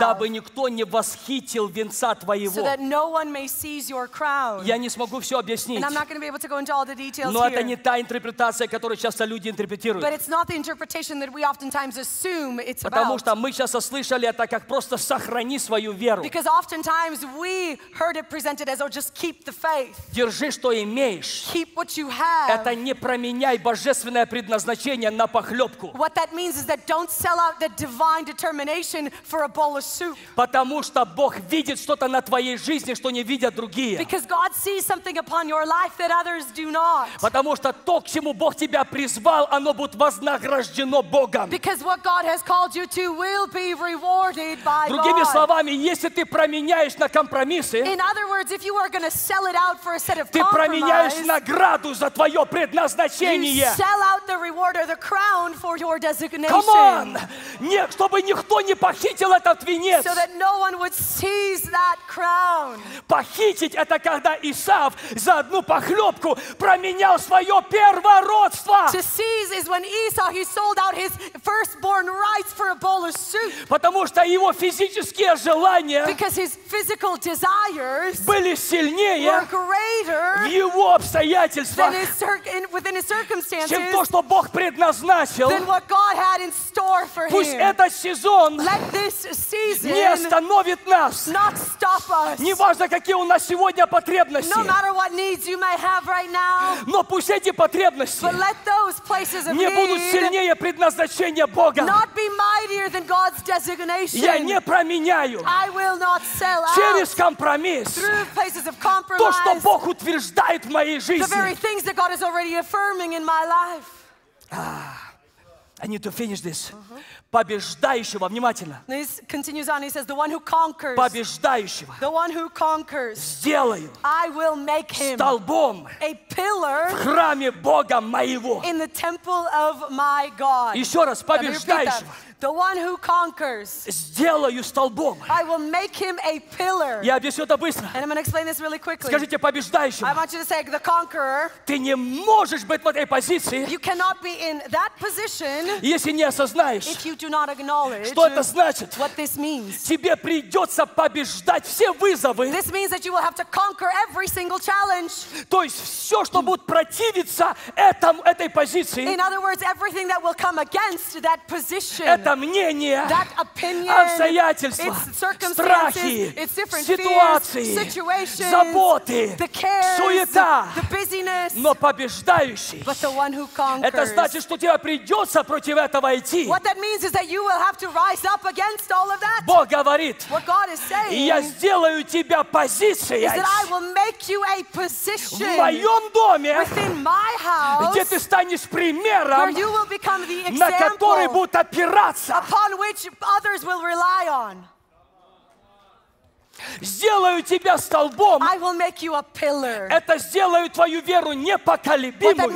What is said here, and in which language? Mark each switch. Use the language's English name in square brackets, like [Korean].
[Russian] дабы никто не восхитил венца твоего. [English] So that no one may seize your crown. [Russian] Я не смогу все объяснить. [English] And I'm not going to be able to go into all the details. [Russian] Но [English] here. [Russian] Это не та интерпретация, которую часто люди интерпретируют. [English] But it's not the interpretation that we oftentimes assume it's about. [Russian] Потому что мы часто слышали это как просто сохрани свою веру. [English] Because oftentimes we heard it presented as, oh, just keep the faith. [Russian] Держи, что имеешь. [English] Keep what you have. [Russian] Это не променяй божественное предназначение на похлебку. [English] What that means is that don't sell out the divine determination for a bowl of soup. [Russian] Потому что Бог видит что-то на твоей жизни, что не видят другие. [English] Because God sees something upon your life that others do not. [Russian] Потому что то, к чему Бог тебя призвал, оно будет вознаграждено Богом. [English] Because what God has called you to will be rewarded by God. [Russian] Другими словами, если ты променяешь на компромиссы, [English] in other words, if you are going to sell it out for a set of compromise, [Russian] ты променяешь награду за твое предназначение. [English] You sell out the reward or the crown for your destiny. Come on! [Russian] Не, чтобы никто не похитил этот венец. [English] So that no one would seize that crown. [Russian] Похитить — это когда Исав за одну похлебку променял свое первородство. [English] To seize is when Esau, he sold out his firstborn rights for a bowl of soup. [Russian] Потому что его физические желания, [English] because his physical desires, [Russian] были сильнее, [English] were greater, [Russian] в его обстоятельствах, [English] within his circumstances, [Russian] чем то, что Бог предназначил. [English] Than what God had in store for him. [Russian] Пусть этот сезон, [English] let this season, [Russian] не остановит нас. [English] Not stop us. [Russian] Не важно, какие у нас сегодня потребности. [English] No matter what needs you may have right now. [Russian] Но пусть эти потребности, [English] but let those places of [Russian] не будут сильнее предназначения Бога. [English] Not be mightier than God's designation. [Russian] Я не променяю. [English] I will not sell out. [Russian] Через компромисс. [English] Through places of compromise. [Russian] То, что Бог утверждает в моей жизни. [English] The very things that God is already affirming in my life. I need to finish this. [Russian] Побеждающего, внимательно. [English] He continues on. He says, "The one who conquers." [Russian] Побеждающего. [English] The one who conquers. [Russian] Сделаю. [English] I will make him. [Russian] Столбом. [English] A pillar. [Russian] В храме Бога моего. [English] In the temple of my God. [Russian] Еще раз, побеждающего. [English] The one who conquers. [Russian] Сделаю столбом. [English] I will make him a pillar. [Russian] Я объясню это быстро. [English] And I'm going to explain this really quickly. [Russian] Скажите побеждающему. [English] I want you to say the conqueror. [Russian] Ты не можешь быть в этой позиции. [English] You cannot be in that position. [Russian] Если не осознаешь. [English] If you do not acknowledge. [Russian] Что это значит? [English] What this means. [Russian] Тебе придется побеждать все вызовы. [English] This means that you will have to conquer every single challenge. [Russian] То есть все, что будет противиться этому, этой позиции. [English] In other words, everything that will come against that position. [Russian] Это мнение, [English] that opinion, [Russian] обстоятельства, [English] it's circumstances, [Russian] страхи, [English] it's different [Russian] ситуации, [English] fears, situations, [Russian] заботы, [English] the cares, [Russian] суета, [English] the busyness, [Russian] но побеждающий. [English] But the one who conquers. [Russian] Это значит, что тебе придется против этого идти. [English] What that means is that you will have to rise up against all of that. [Russian] Бог говорит, [English] what God is saying, [Russian] я сделаю тебя позицией, [English] is that I will make you a position [Russian] в моем доме, [English] within my house, [Russian] где ты станешь примером, [English] where you will become the example, [Russian] на который будут опираться. [English] Upon which others will rely on. [Russian] Сделаю тебя столбом. [English] I will make you a pillar. [Russian] Это сделаю твою веру непоколебимую.